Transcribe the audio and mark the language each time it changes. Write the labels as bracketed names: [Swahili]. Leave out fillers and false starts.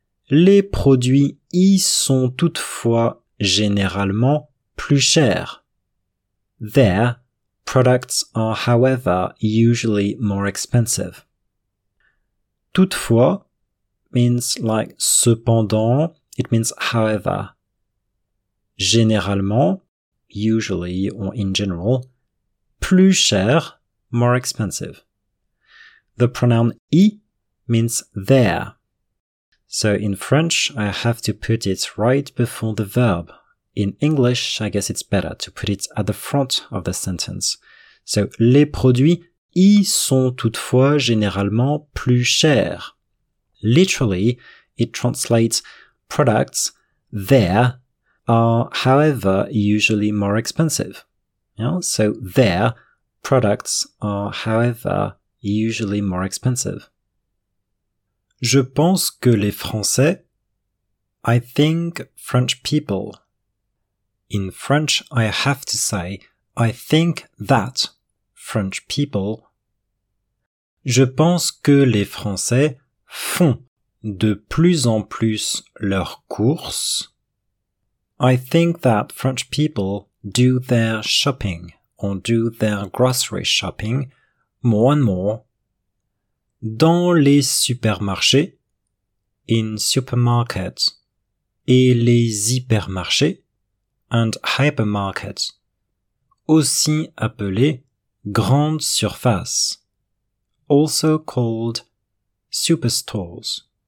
[French] Les produits y sont toutefois généralement plus chers. [English] There, products are however usually more expensive. Toutefois means like cependant, it means however. Généralement, usually or in general, [French] plus cher, [English] more expensive. The pronoun y means there. So in French, I have to put it right before the verb. In English, I guess it's better to put it at the front of the sentence. [French] So, les produits y sont toutefois généralement plus chers. [English] Literally, it translates products there are however usually more expensive. Yeah? So, there products are however usually more expensive. [French] Je pense que les Français, [English] I think French people. In French, I have to say, I think that French people. [French] Je pense que les Français font de plus en plus leurs courses. [English] I think that French people do their shopping or do their grocery shopping more and more. [French] Dans les supermarchés, [English] in supermarkets, [French] et les hypermarchés, [English] and hypermarkets, [French] aussi appelés grandes surfaces, [English] also called superstores.